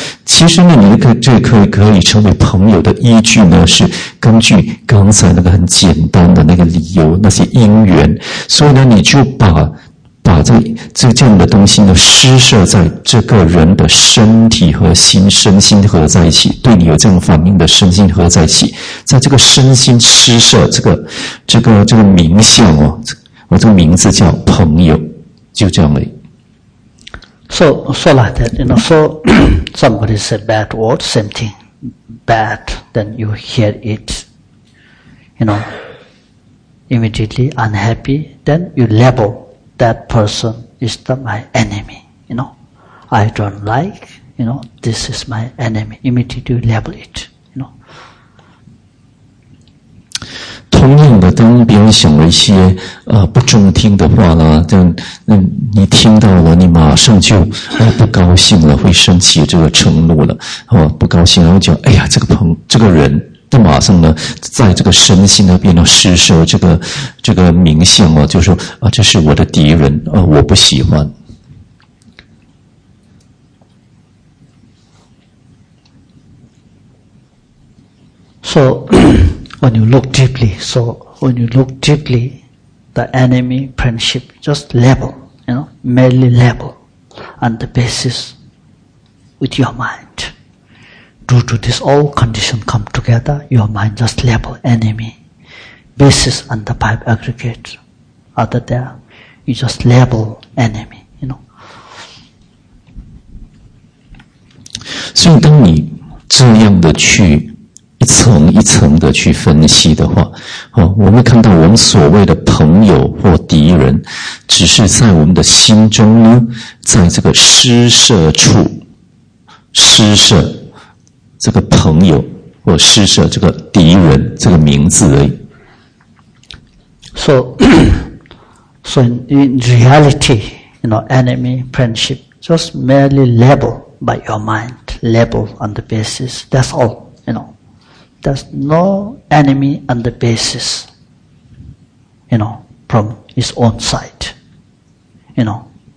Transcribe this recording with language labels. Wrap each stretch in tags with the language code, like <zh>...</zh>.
<zh>其实呢，你这可以成为朋友的依据呢，是根据刚才那个很简单的那个理由，那些因缘，所以呢，你就把这样的东西呢施设在这个人的身体和心，身心合在一起，对你有这样反应的身心合在一起，在这个身心施设这个名相哦，我这个名字叫朋友，就这样而已。</zh> <en>So like that, you know. So somebody say bad word, same thing, bad. Then you hear it, you know, immediately unhappy. Then you label. That person is my enemy, you know. I don't like, you know, this is my enemy. Immediately label it, you know.</en> <zh>同样的，当别人想了一些不中听的话啦，你听到了，你马上就不高兴了，会生起这个嗔怒了，哦，不高兴，然后讲，哎呀，这个人。他马上呢，在这个身心那边呢，施舍这个名相啊，就说啊，这是我的敌人啊，我不喜欢。</zh> <en>So when you look deeply, the enemy friendship just level, you know, merely level on the basis with your mind. Due to this, all conditions come together, your mind just label enemy. Basis on the five aggregates are there, you just label enemy, you know.</en> <zh>就当你这样的去一层一层的去分析的话，我们看到我们所谓的朋友或敌人，只是在我们的心中呢，在这个施舍处，施舍这个朋友或施舍这个敌人这个名字而已。</zh> <en>So in reality, you know, enemy, friendship, just merely label by your mind, label on the basis, that's all, you know. There's no enemy on the basis, you know, from his own side, you know.</en>